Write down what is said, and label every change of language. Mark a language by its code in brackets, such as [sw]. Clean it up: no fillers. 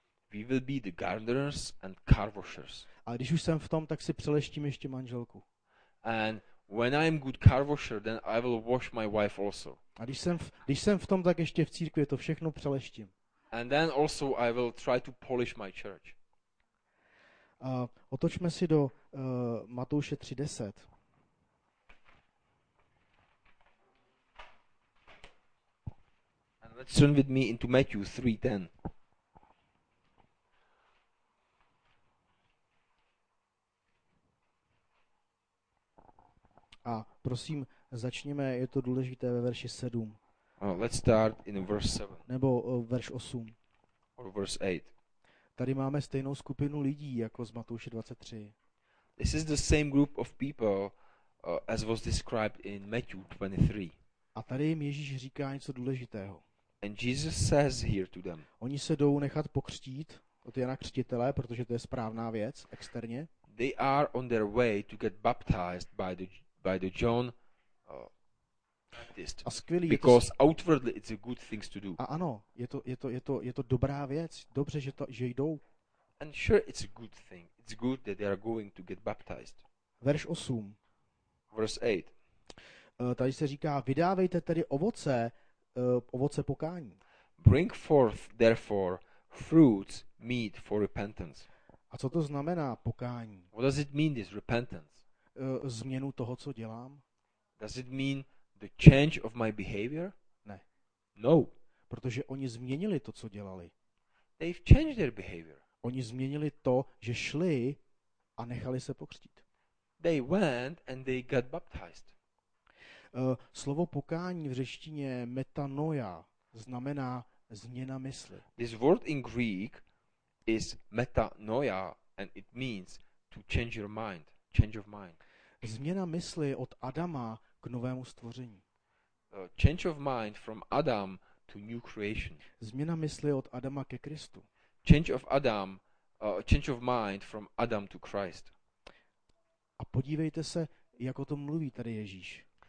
[en] We will be the gardeners and car washers. [cs] A když už jsem v tom, tak si přeleštím ještě manželku. [en] And when I am good car washer, then I will wash my wife also. [cs] A když jsem v tom, tak ještě v církvi to všechno přeleštím. [en] And then also I will try to polish my church. [cs] Otočme si do Matouše 3:10. [en] And let's turn with me into Matthew 3:10. [cs] A prosím, začněme, je to důležité, ve verši 7. [en] Let's start in verse 7. [cs] Nebo verš 8. [en] Or verse 8. [cs] Tady máme stejnou skupinu lidí jako z Matouše 23. [en] This is the same group of people as was described in Matthew 23. [cs] A tady jim Ježíš říká něco důležitého. [en] And Jesus says here to them. [cs] Oni se jdou nechat pokřtít od Jana Křtitele, protože to je správná věc externě. [en] They are on their way to get baptized by the John [cs] A skvělý, [en] because outwardly it's a good thing to do. [cs] A ano, je to dobrá věc, dobře, že jdou. [en] And sure it's a good thing. It's good that they are going to get baptized. [cs] Verš 8. [en] Verse 8. [cs] Tady se říká, vydávejte tedy ovoce, ovoce pokání. [en] Bring forth therefore fruits meet for repentance. [cs] A co to znamená pokání? [en] What does it mean this repentance? [cs] Změnu toho, co dělám? [en] Does it mean the change of my behavior? [cs] Ne. [en] No. [cs] Protože oni změnili to, co dělali. [en] They've changed their behavior. [cs] Oni změnili to, že šli a nechali se pokřtít. [en] They went and they got baptized. [cs] Slovo pokání v řečtině metanoia znamená změna mysli. [en] This word in Greek is metanoia and it means to change your mind, change of mind. [cs] Změna mysli od Adama k novému stvoření. [en] Change of mind from Adam to new creation. [cs] Změna mysli od Adama ke Kristu. [en] Change of Adam, change of mind from Adam to Christ. [cs] A podívejte se, jak o tom mluví tady Ježíš.